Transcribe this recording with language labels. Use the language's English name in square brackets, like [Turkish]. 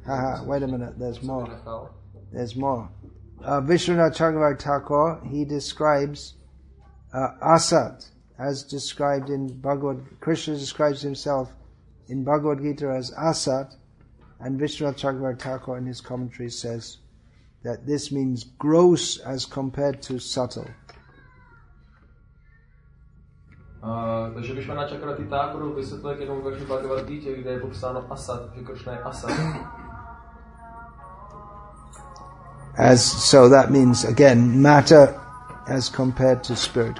[English] Haha, wait a minute, there's more. Vishwanath Chakravarti Thakur, he describes Asat as described in Bhagavad Gita. Krishna describes himself in Bhagavad Gita as Asat, and Vishwanath Chakravarti Thakur in his commentary says that this means gross as compared to subtle. [Czech] Takže když na Chakravarti Thakur vysvětluje k jednomu verši Bhagavad Gita, kde je popsáno Asat, že Krishna je Asat. [English] As so that means again matter as compared to spirit.